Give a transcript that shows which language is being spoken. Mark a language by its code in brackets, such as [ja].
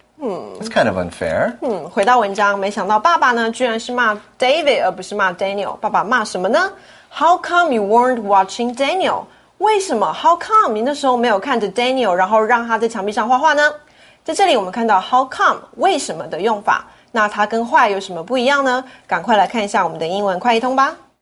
[en] That's kind of unfair. [zh] 回到文章，没想到爸爸呢，居然是骂 David 而不是骂 Daniel。爸爸骂什么呢 [en] ？How come you weren't watching Daniel? [zh] 为什么 ？ [en] How come [zh] 你那时候没有看着 Daniel， 然后让他在墙壁上画画呢？在这里我们看到 how come 为什么的用法。那它跟why有什么不一样呢？赶快来看一下我们的英文快译通吧。